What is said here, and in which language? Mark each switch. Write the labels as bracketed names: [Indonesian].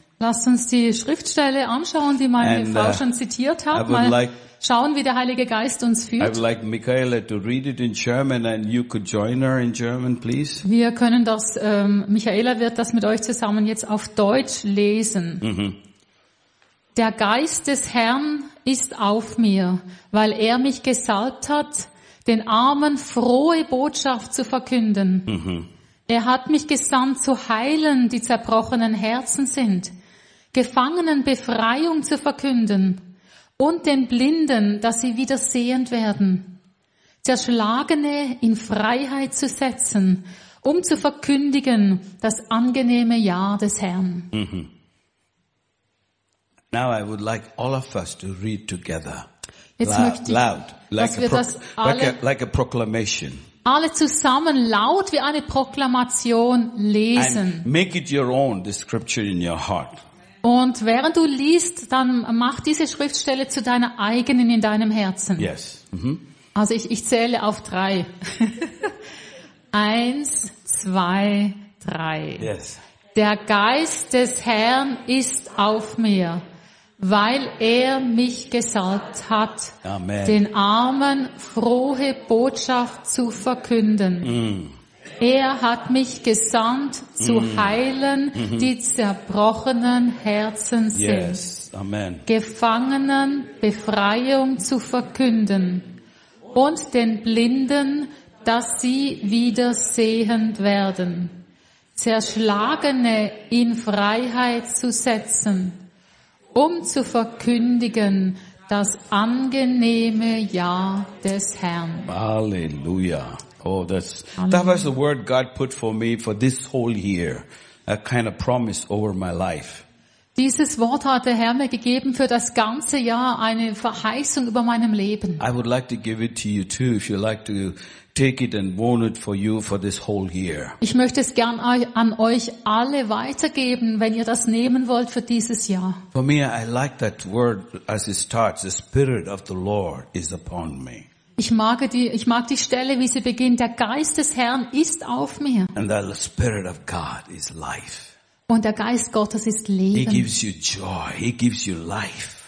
[German] Lasst uns die Schriftstelle anschauen, die meine Frau schon zitiert hat. Mal schauen, wie der Heilige Geist uns führt. [English] I would like Michaela to read it in German and you could join her in German, please. [German] Wir können das, Michaela wird das mit euch zusammen jetzt auf Deutsch lesen. Der Geist des Herrn ist auf mir, weil er mich gesalbt hat, den Armen frohe Botschaft zu verkünden. Er hat mich gesandt, zu heilen, die zerbrochenen Herzen sind. Gefangenen Befreiung zu verkünden und den Blinden, dass sie wieder sehend werden. Zerschlagene in Freiheit zu setzen, um zu verkündigen das angenehme Jahr des Herrn. [English] Now I would like all of us to read together. [German] Jetzt möchte ich, [English] loud, like a proclamation. [German] Alle zusammen laut wie eine Proklamation lesen. [English] And make it your own, the scripture in your heart. [German] Und während du liest, dann mach diese Schriftstelle zu deiner eigenen in deinem Herzen. [English] Yes. [German] Also ich zähle auf 3. 1, 2, 3. [English] Yes. [German] Der Geist des Herrn ist auf mir, weil er mich gesalbt hat, Amen. Den Armen frohe Botschaft zu verkünden. Er hat mich gesandt, zu heilen, die zerbrochenen Herzen sind. [English] Yes. Amen. [German] Gefangenen Befreiung zu verkünden und den Blinden, dass sie wieder sehend werden, Zerschlagene in Freiheit zu setzen, um zu verkündigen das angenehme Jahr des Herrn. Halleluja. [English] Oh, that was the word God put for me for this whole year. A kind of promise over my life. [German] Dieses Wort hat der Herr mir gegeben für das ganze Jahr, eine Verheißung über meinem Leben. [English] I would like to give it to you too, if you like to take it and own it for you for this whole year. [German] Ich möchte es gern an euch alle weitergeben, wenn ihr das nehmen wollt für dieses Jahr. [English] For me, I like that word as it starts, the Spirit of the Lord is upon me. [German] Ich mag die Stelle, wie sie beginnt. Der Geist des Herrn ist auf mir. [English] And the Spirit of God is life. [German] Und der Geist Gottes ist Leben. [English] He gives you joy. He gives you life.